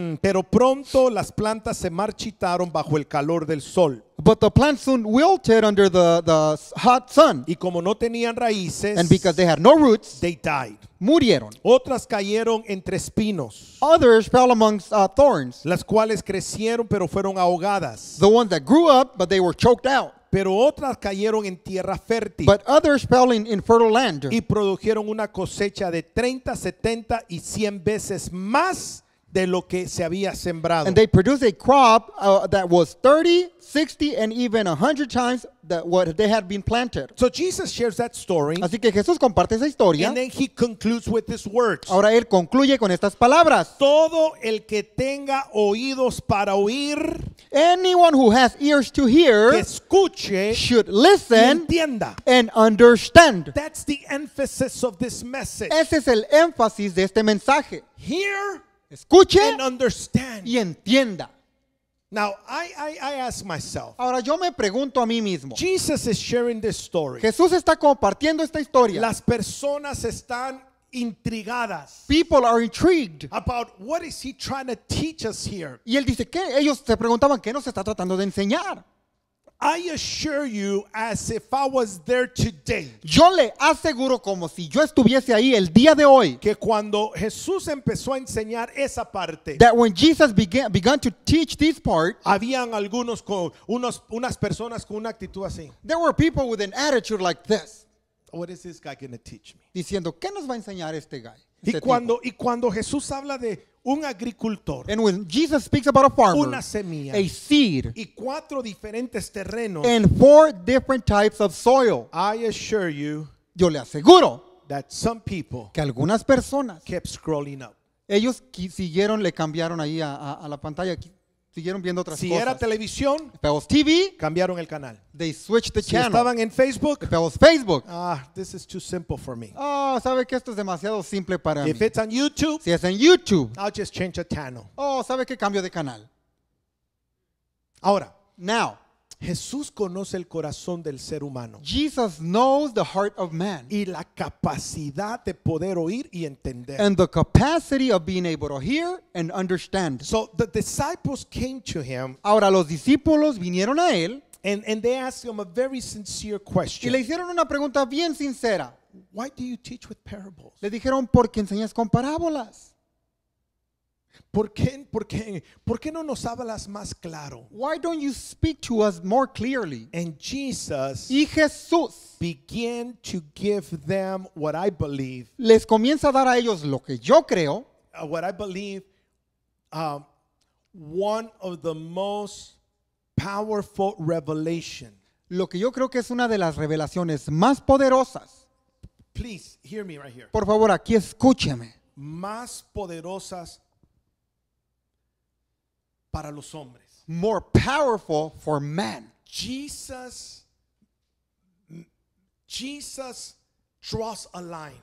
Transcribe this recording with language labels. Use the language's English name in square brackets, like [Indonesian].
[Spanish] Pero pronto las plantas se marchitaron bajo el calor del sol. [English] But the plants soon wilted under the hot sun. [Spanish] Y como no tenían raíces, [English] and because they had no roots, they died. [Spanish] Murieron. Otras cayeron entre espinos. [English] Others fell amongst thorns. [Spanish] Las cuales crecieron pero fueron ahogadas. [English] The ones that grew up, but they were choked out. [Spanish] Pero otras cayeron en tierra fértil. [English] But others fell in fertile land. [Spanish] Y produjeron una cosecha de 30, 70 y 100 veces más de lo que se había sembrado. [English] And they produced a crop that was 30, 60 and even 100 times that what they had been planted. So Jesus shares that story. [Spanish] Así que Jesús comparte esa historia. [English] And then he concludes with his words. [Spanish] Ahora él concluye con estas palabras. Todo el que tenga oídos para oír, [English] anyone who has ears to hear, [Spanish] que escuche, [English] should listen, [Spanish] entienda, [English] and understand. That's the emphasis of this message. [Spanish] Ese es el énfasis de este mensaje. [English] Hear, [Spanish] escuche, [English] and understand. [Spanish] Y entienda. [English] Now I ask myself. [Spanish] Ahora yo me pregunto a mí mismo. [English] Jesus is sharing this story. [Spanish] Jesús está compartiendo esta historia. Las personas están intrigadas. [English] People are intrigued about what is he trying to teach us here. [Spanish] Y él dice que ellos se preguntaban qué nos está tratando de enseñar. [English] I assure you, as if I was there today. [Spanish] Yo le aseguro como si yo estuviese ahí el día de hoy. Que cuando Jesús empezó a enseñar esa parte. [English] That when Jesus began to teach this part. [Spanish] Habían algunos con unas personas con una actitud así. [English] There were people with an attitude like this. What is this guy going to teach me? [Spanish] Diciendo, ¿qué nos va a enseñar este guy? Y cuando Jesús habla de un agricultor. [English] And when Jesus speaks about a farmer. [Spanish] Una semilla. [English] A seed. [Spanish] Y cuatro diferentes terrenos. [English] And four different types of soil. I assure you. [Spanish] Yo le aseguro. [English] That some people. [Spanish] Que algunas personas. [English] Kept scrolling up. [Spanish] Ellos siguieron, le cambiaron ahí a la pantalla. Siguieron viendo otras si cosas. Si era televisión. [English] If it was TV. [Spanish] Cambiaron el canal. [English] They switched the [Spanish] si [English] channel. [Spanish] Si estaban en Facebook. [English] If it was Facebook. This is too simple for me. [Spanish] Oh, ¿sabe que esto es demasiado simple para [English] if [Spanish] mí? [English] If it's on YouTube. [Spanish] Si es en YouTube. [English] I'll just change the channel. [Spanish] Oh, ¿sabe que cambio de canal? Ahora. [English] Now. [Spanish] Jesús conoce el corazón del ser humano. [English] Jesus knows the heart of man. [Spanish] Y la capacidad de poder oír y entender. [English] And the capacity of being able to hear and understand. So the disciples came to him. [Spanish] Ahora los discípulos vinieron a él. [English] And they asked him a very sincere question. [Spanish] Y le hicieron una pregunta bien sincera. [English] Why do you teach with parables? [Spanish] Le dijeron, ¿por qué enseñas con parábolas? ¿Por qué no nos hablas más claro? [English] Why don't you speak to us more clearly? And Jesus [Spanish] y Jesús [English] began to give them what I believe. [Spanish] Les comienza a dar a ellos lo que yo creo. [English] What I believe, one of the most powerful revelation. [Spanish] Lo que yo creo que es una de las revelaciones más poderosas. [English] Please hear me right here. [Spanish] Por favor, aquí escúcheme. Más poderosas. Para los hombres. [English] More powerful for men. Jesus draws a line.